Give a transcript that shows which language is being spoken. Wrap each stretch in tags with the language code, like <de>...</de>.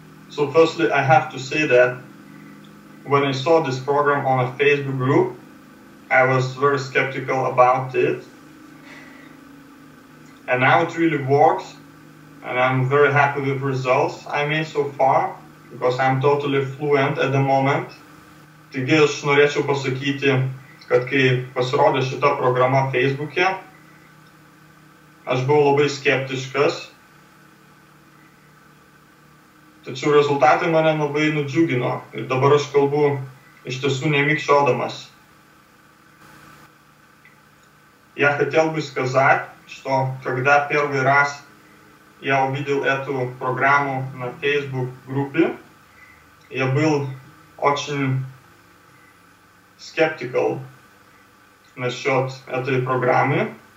<en>So firstly, I have to say that when I saw this program on a Facebook group, I was very skeptical about it. And now it really works, and I'm very happy with the results I made so far, because I'm totally fluent at the moment.</en> <lt>Taigi, aš norėčiau pasakyti, kad kai pasirodė šita programa Facebook'e, aš buvau labai skeptiškas. Tačiau rezultatai mane labai nudžiugino ir dabar aš kalbu iš tiesų nemikščiodamas.</lt> <ru>Я хотел бы сказать, что когда первый раз я увидел эту программу на Facebook группе, я был очень skeptical насчет этой программы.</ru>